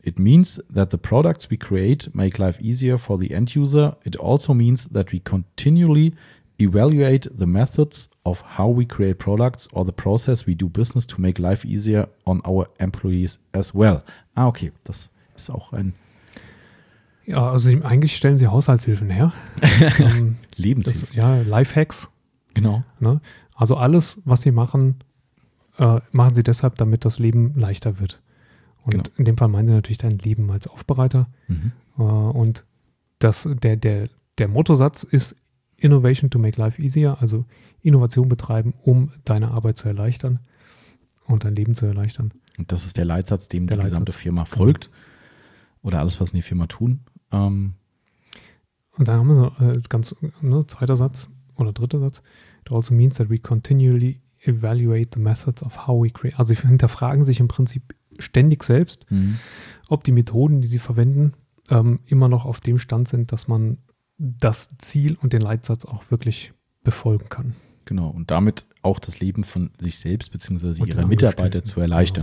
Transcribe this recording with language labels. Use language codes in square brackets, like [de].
[en] It means that the products we create make life easier for the end user. It also means that we continually evaluate the methods of how we create products or the process we do business to make life easier on our employees as well. [de] Ah, okay, das ist auch ein... Ja, also eigentlich stellen sie Haushaltshilfen her. Lebenshilfe. Ja, Lifehacks. Genau. Ne? Also alles, was sie machen, machen sie deshalb, damit das Leben leichter wird. Und genau. In dem Fall meinen sie natürlich dein Leben als Aufbereiter. Mhm. Und der Mottosatz ist [en] Innovation to make life easier, [de] also Innovation betreiben, um deine Arbeit zu erleichtern und dein Leben zu erleichtern. Und das ist der Leitsatz, dem die gesamte Firma folgt. Oder alles, was in der Firma tun. Und dann haben wir so zweiter Satz oder dritter Satz. [en] It also means that we continually evaluate the methods of how we create. [de] Also sie hinterfragen sich im Prinzip ständig selbst, ob die Methoden, die sie verwenden, immer noch auf dem Stand sind, dass man das Ziel und den Leitsatz auch wirklich befolgen kann. Genau, und damit auch das Leben von sich selbst bzw. ihrer Mitarbeiter zu erleichtern.